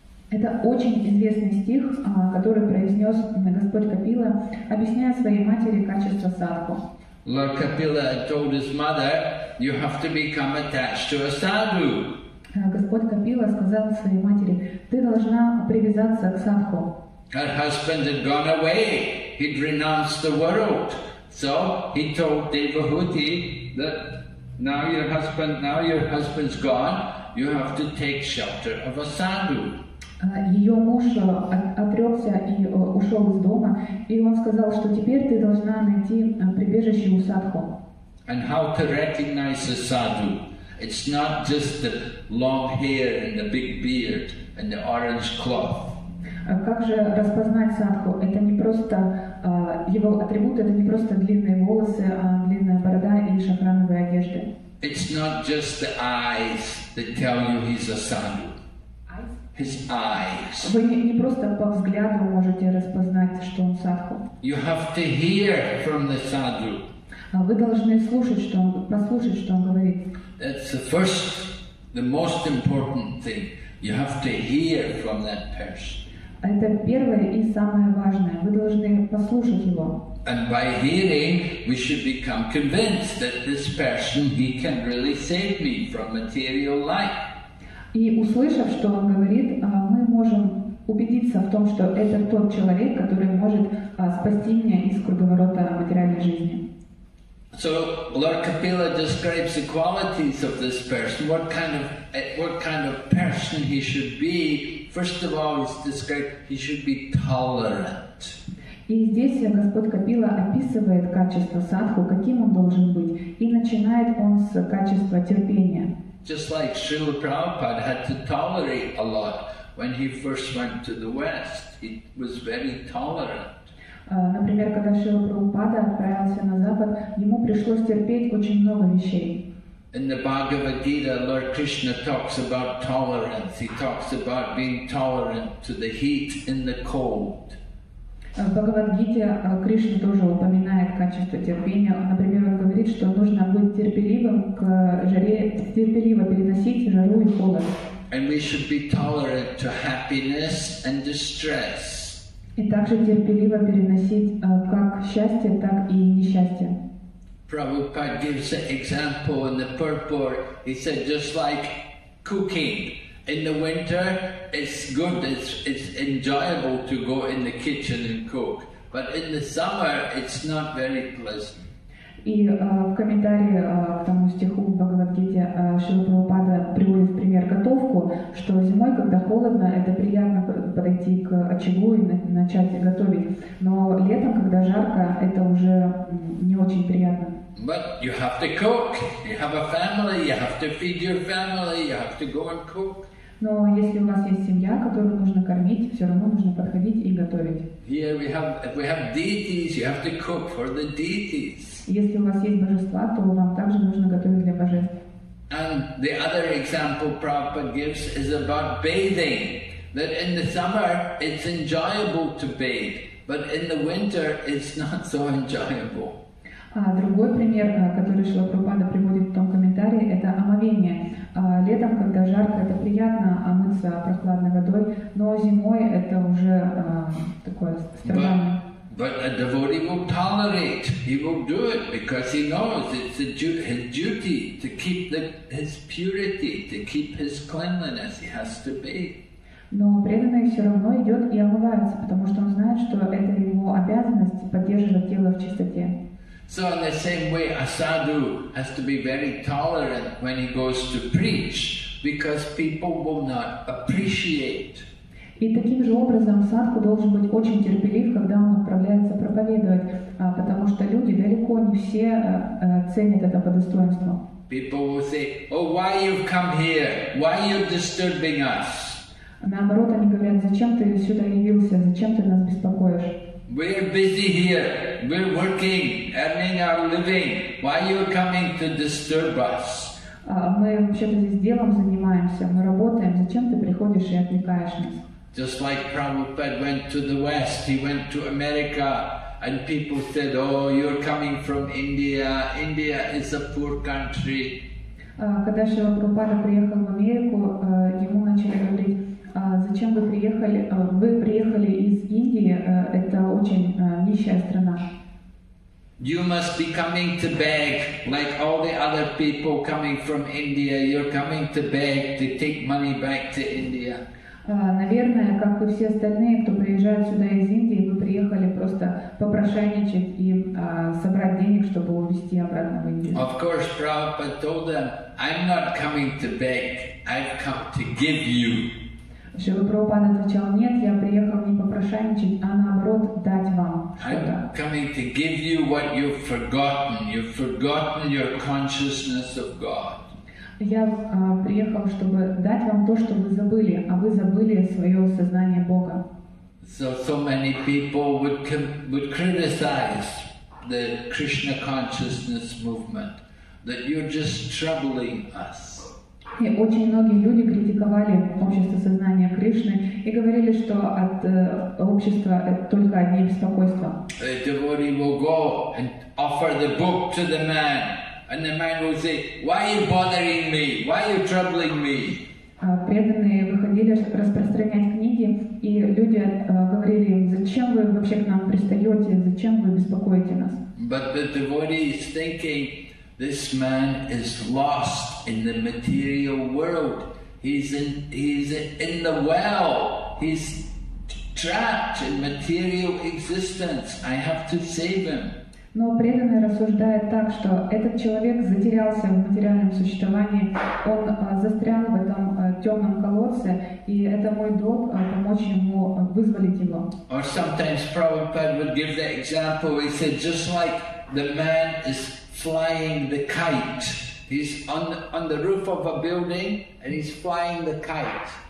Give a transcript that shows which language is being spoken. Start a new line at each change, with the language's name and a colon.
Russian: Это очень известный стих, который произнес Господь Капила, объясняя своей матери качество садху.
English: Lord Kapila told his mother, "You have to become attached to a sadhu."
Russian: Господь Капила сказал своей матери, "Ты должна привязаться к садху."
English: Her husband had gone away. He'd renounced the world. So he told Devahuti that now your husband's gone, you have to take shelter of a sadhu.
Russian: Ее муж отрекся и ушел из дома, и он сказал, что теперь ты должна найти прибежище у садху.
English: And how to recognize a sadhu? It's not just the long hair and the big beard and the orange cloth.
Russian: А как же распознать садху? Это не просто его атрибуты, это не просто длинные волосы, а длинная борода и шафрановые одежды.
English: It's not just the eyes that tell you he's a sadhu. His eyes.
Russian: Вы не просто по взгляду можете распознать, что он садху.
English: You have to hear from the sadhu.
Russian: Вы должны послушать, что он говорит.
English: That's the first, the most important thing. You have to hear from that person.
Russian: Это первое и самое важное. Вы должны послушать его.
English: And by hearing, we should become convinced that this person, he can really save me from material life.
Russian: И услышав, что он говорит, мы можем убедиться в том, что это тот человек, который может спасти меня из круговорота материальной жизни.
English: So Lord Kapila describes the qualities of this person. What kind of person he should be? First of all, he's described he should be tolerant.
Russian: И здесь Господь Капила описывает качество садху, каким он должен быть, и начинает он с качества терпения.
English: Just like Srila Prabhupada had to tolerate a lot when he first went to the West, he was very tolerant.
Russian: Например, когда Шрила Прабхупада отправился на Запад, ему пришлось терпеть очень много вещей.
English: In the Bhagavad Gita, Lord Krishna talks about tolerance. He talks about being tolerant to the heat and the cold.
Russian: В Бхагавад Гите Кришна тоже упоминает качество терпения. Например, он говорит, что нужно быть терпеливым к жаре, терпеливо переносить жару и холод.
English: And we should be tolerant to happiness and distress.
Russian: И также терпеливо переносить как счастье, так и несчастье.
English: Prabhupada gives an example in the purport. He said, just like cooking. In the winter, it's good, it's enjoyable to go in the kitchen and cook. But in the summer, it's not very pleasant.
Russian: И в комментарии к тому стиху в Бхагавад-гите Шрила Прабхупада приводит в пример готовку, что зимой, когда холодно, это приятно подойти к очагу и начать готовить. Но летом, когда жарко, это уже не очень приятно.
English: But you have to cook. You have a family. You have to feed your family. You have to go and cook.
Russian: Но если у вас есть семья, которую нужно кормить, все равно нужно подходить и готовить.
English: Here we have deities, you have to cook for the deities.
Russian: Если у вас есть божества, то вам также нужно готовить для божеств.
English: And the other example Prabhupada gives is about bathing. That in the summer it's enjoyable to bathe, but in the winter it's not so enjoyable.
Russian: А другой пример, который Шрила Прабхупада приводит в том комментарии, это омовение. Летом, когда жарко, это приятно омыться прохладной водой, но зимой это уже такое страдание.
English: But a devotee will tolerate. He will do it because he knows it's his duty to keep his purity, to keep his cleanliness. He has to be.
Russian: Но преданный все равно идет и омывается, потому что он знает, что это его обязанность поддерживать тело в чистоте.
English: So in the same way, a sadhu has to be very tolerant when he goes to preach, because people will not appreciate.
Russian: И таким же образом садху должен быть очень терпелив, когда он отправляется проповедовать, потому что люди далеко не все ценят это по достоинству.
English: People will say, oh, why you've come here? Why are you disturbing us?
Russian: Наоборот, они говорят, зачем ты сюда явился? Зачем ты нас беспокоишь?
English: We're busy here. We're working, earning our living. Why are you coming to disturb us?
Russian: Мы вообще-то здесь делом занимаемся, мы работаем. Зачем ты приходишь и отвлекаешь нас?
English: Just like Prabhupada went to the West, he went to America, and people said, oh, you're coming from India. India is a poor country.
Russian: Когда Шрила Прабхупада приехал в Америку, ему начали говорить, зачем вы приехали? Вы приехали из Индии, это очень нищая страна.
English: You must be coming to beg, like all the other people coming from India. You're coming to beg to take money back to India.
Russian: Наверное, как и все остальные, кто приезжает сюда из Индии, вы приехали просто попрошайничать и собрать денег, чтобы увезти обратно в Индию.
English: Of course, Prabhupada told them, I'm not coming to beg, I've come to give you.
Russian: Шрила Прабхупада отвечал, нет, я приехал не попрошайничать, а наоборот дать вам что-то.
English: I'm coming to give you what you've forgotten. You've forgotten your consciousness of God.
Russian: Я приехал, чтобы дать вам то, что вы забыли, а вы забыли свое сознание Бога.
English: So many people would criticize the Krishna consciousness movement that you're just troubling us.
Russian: И очень многие люди критиковали общество сознания Кришны и говорили, что от общества только одни беспокойства.
English: A devotee will go and offer the book to the man, and the man will say, "Why are you bothering me? Why are you troubling me?"
Russian: Преданные выходили распространять книги, и люди говорили им, зачем вы вообще к нам пристаете, зачем вы беспокоите нас?
English: But the devotee is thinking, this man is lost in the material world. He's in the well. He's trapped in material existence. I have to save him.
Russian: Но преданный рассуждает так, что этот человек затерялся в материальном существовании. Он застрял в этом темном колодце, и это мой долг помочь ему вызволить его.
English: Or sometimes Prabhupada would give the example. He said, just like the man is flying the kite. He's on the roof of a building and he's flying the kite.